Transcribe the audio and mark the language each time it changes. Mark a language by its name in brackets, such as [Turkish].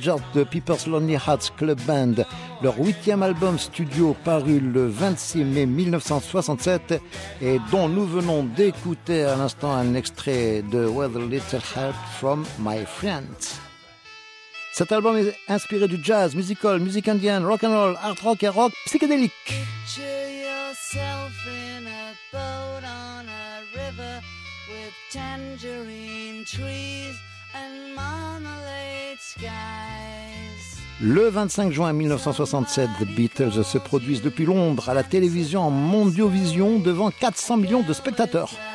[French] George Pepper's Lonely Hearts Club Band. Leur huitième album studio paru le 26 mai 1967 et dont nous venons d'écouter à l'instant un extrait de With a Little Help From My Friends. Cet album est inspiré du jazz, musical, musique indienne, rock and roll, art rock et rock psychédélique. [English] Picture yourself in a boat on a river with tangerine trees and marmalade skies. [French] Le 25 juin 1967, The Beatles se produisent depuis Londres à la télévision en Mondiovision devant 400 millions de spectateurs.